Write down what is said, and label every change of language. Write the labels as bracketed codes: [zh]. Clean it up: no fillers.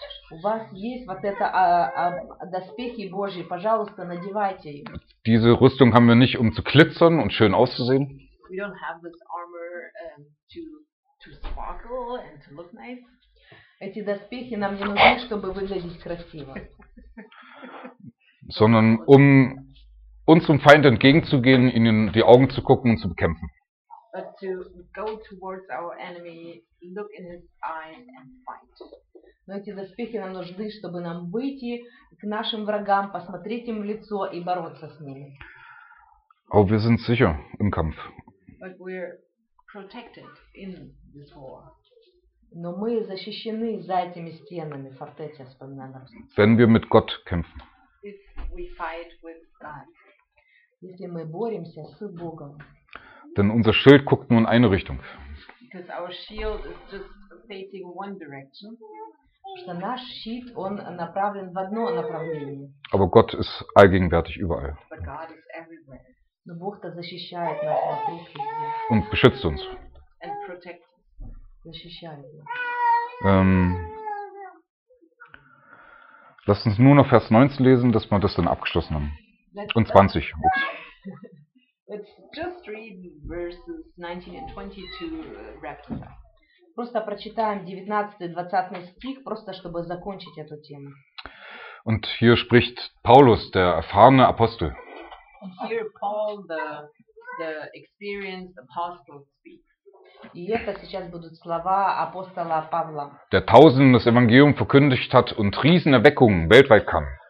[ru] У вас есть вот это доспехи Божьи, пожалуйста, надевайте их. [de] Diese Rüstung haben wir nicht, um zu glitzern und schön auszusehen. [en] We don't have this armor to sparkle and to look nice. [ru] Эти доспехи нам не нужны, чтобы выглядеть красиво. [de] Sondern um unserem Feind entgegenzugehen, ihn in die Augen zu gucken und zu bekämpfen. [en] But to go towards our enemy, look in his eyes and fight. [ru] Но эти доспехи нам нужны, чтобы нам выйти к нашим врагам, посмотреть им в лицо и бороться с ними. [de] Aber wir sind sicher im Kampf. [en] But we're protected in this war. [ru] Но мы защищены за этими стенами, [uk] фортеця, [ru] вспоминаем. [de] Wenn wir mit Gott kämpfen. [en] If we fight with God. [ru] Если мы боремся с Богом. [de] Denn unser Schild guckt nur in eine Richtung. [en] Because our shield is just facing one direction. [ru] Что наш щит, он направлен в одно направление. [de] Aber Gott ist allgegenwärtig überall. [en] But God is everywhere. [ru] Но Бог-то защищает нас от рук. [de] Und beschützt uns. [en] And protects us. [ru] Защищает нас. [de] Lass uns nur noch Vers 19 lesen, dass wir das dann abgeschlossen haben. Und 20. Ups. [en] Let's just read verses 19 and 20 to wrap it up. [ru] Просто прочитаем 19 и 20 стих, просто чтобы закончить эту тему. [de] Und hier spricht Paulus, der erfahrene Apostel. [en] And here Paul, the experienced apostle, speaks. [ru] И это сейчас будут слова апостола Павла. [de] Der Tausenden das Evangelium verkündigt hat und Riesenerweckungen weltweit kam.